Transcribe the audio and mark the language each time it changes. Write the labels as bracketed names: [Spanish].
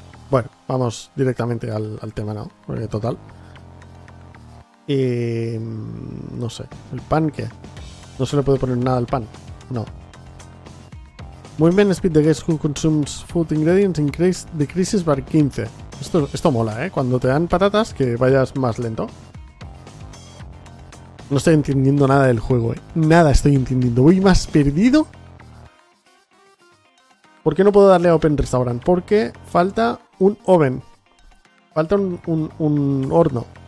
[Spanish] Bueno, vamos directamente al tema, ¿no? Porque total. No sé. ¿El pan qué? No se le puede poner nada al pan. No. [English] Movement speed the guest who consumes food ingredients decreases by 15. [Spanish] Esto mola, ¿eh? Cuando te dan patatas, que vayas más lento. No estoy entendiendo nada del juego, ¿eh? Nada estoy entendiendo. ¿Voy más perdido? ¿Por qué no puedo darle a Open Restaurant? Porque falta un oven. Falta un horno.